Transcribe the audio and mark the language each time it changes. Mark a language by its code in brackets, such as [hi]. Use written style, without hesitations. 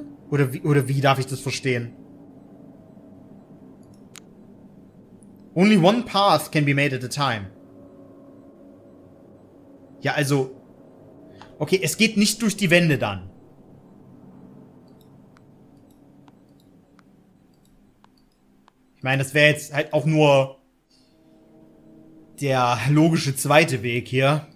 [de] Oder wie darf ich das verstehen? [en] Only one path can be made at a time. [de] Ja, also. Okay, es geht nicht durch die Wände dann. Ich meine, das wäre jetzt halt auch nur der logische zweite Weg hier.